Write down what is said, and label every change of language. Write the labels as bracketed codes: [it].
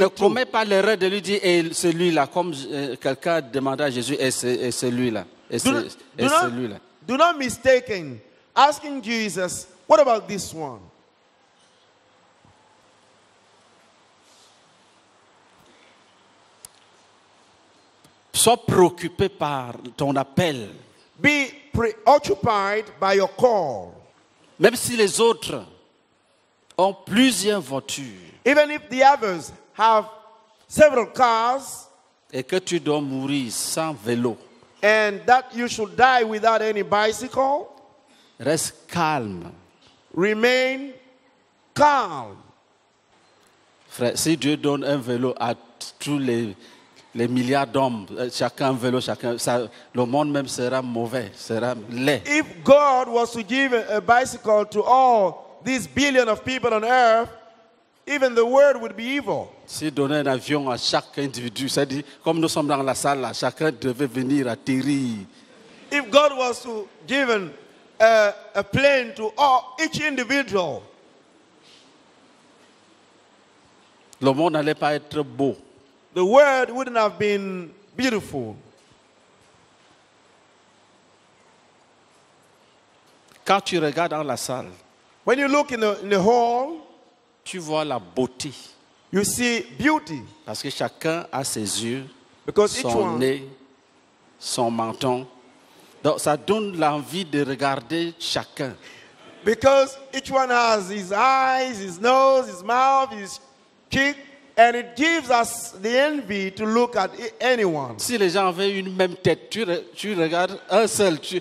[fr] to. Ne commets pas l'erreur de lui dire celui-là comme quelqu'un demanda à Jésus et celui-là et celui-là. [en] Do not mistake in asking Jesus, what about this one? [fr] Sois préoccupé par ton appel. [en] Be preoccupied by your call. [fr] Même si les autres ont plusieurs voitures. [en] Even if the others have several cars. [fr] Et que tu dois mourir sans vélo. [en] And that you should die without any bicycle. [fr] Reste calme. [en] Remain calm. [fr] Frère, si Dieu donne un vélo à tous les milliards d'hommes, chacun vélo, chacun, ça, le monde même sera mauvais, sera laid. [en] If God was to give a bicycle to all these billions of people on earth, even the world would be evil. [fr] Si donner un avion à chaque individu, c'est-à-dire comme nous sommes dans la salle, là, chacun devait venir atterrir. [en] If God was to give a plane to all each individual, [fr] le monde n'allait pas être beau. [en] The world wouldn't have been beautiful. [fr] Quand tu regardes dans la salle, [en] when you look in the hall, [fr] tu vois la beauté. [en] You see beauty. [fr] Parce que chacun a ses yeux, [en] because [fr] son nez, son menton. Donc ça donne l'envie de regarder chacun. [en] Because each one has his eyes, his nose, his mouth, his cheek, and it gives us the envy to look at anyone. [fr] Si les gens avaient une même tête, tu regardes un seul.